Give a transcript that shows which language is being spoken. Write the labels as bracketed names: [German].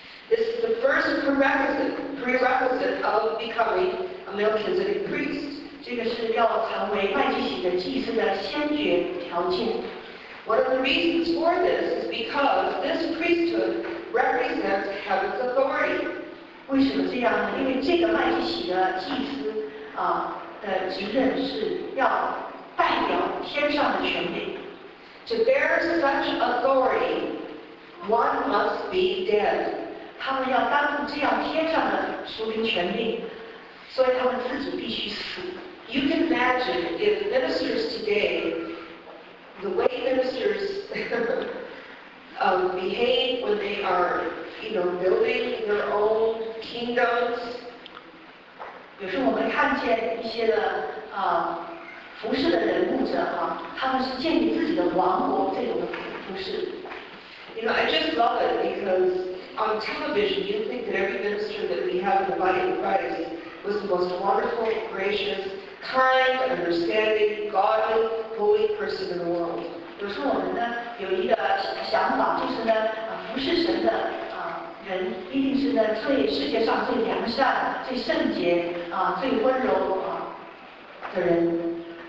[English] This is the first prerequisite of becoming a Melchizedek priest. [Chinese] 这个是要成为麦基洗德祭司的先决条件。 [English] One of the reasons for this is because this priesthood represents heaven's authority. [Chinese] 为什么这样呢？因为这个麦基洗德祭司的职任是要代表天上的权柄。 [English] To bear such authority, one must be dead. [Chinese] 他们要担负这样天上的属灵权柄，所以他们自己必须死。 [English] You can imagine if ministers today, the way ministers behave when they are, building their own kingdoms. [Chinese] 有时我们看见一些的服侍的人牧者他们是建立自己的王国这种服侍。 [English] You know, I just love it because. On television, you think that every minister that we have in the body of Christ was the most wonderful, gracious, kind, understanding, godly, holy person in the world. [Chinese] 有时候我们呢有一个想法，就是呢，服侍神的人一定是呢最世界上最良善、最圣洁、最温柔的人。